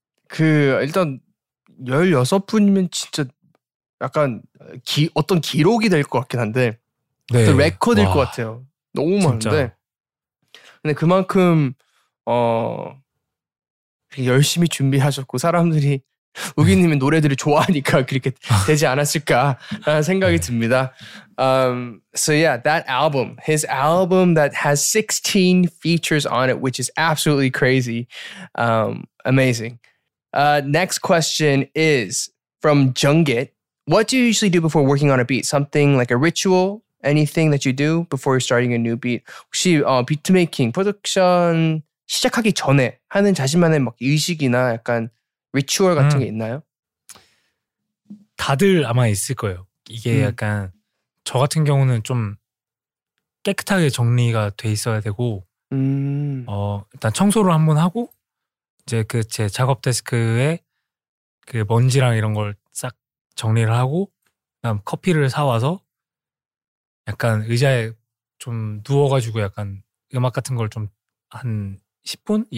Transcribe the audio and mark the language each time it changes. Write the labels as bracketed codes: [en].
[ko] 그 일단 16분이면 진짜 약간 어떤 기록이 될 것 같긴 한데 레코드일 것 같아요. 너무 많은데 근데 그만큼 열심히 준비하셨고 사람들이 우기님의 노래들을 좋아하니까 그렇게 되지 않았을까라는 생각이 듭니다. [en] So yeah, that album, his album that has 16 features on it, which is absolutely crazy, amazing. Next question is from Jungit. What do you usually do before working on a beat? Something like a ritual? Anything that you do before starting a new beat? [ko] 혹시 비트메이킹, 프로덕션 시작하기 전에 하는 자신만의 막 의식이나 약간 리추얼 같은 게 있나요? 다들 아마 있을 거예요. 이게 약간 저 같은 경우는 좀 깨끗하게 정리가 돼 있어야 되고 일단 청소를 한번 하고 이제 그 제 작업 데스크에 그 먼지랑 이런 걸 싹 정리를 하고 그다음 커피를 사와서 약간 의자에 좀 누워가지고 약간 음악 같은 걸 좀 한 10분?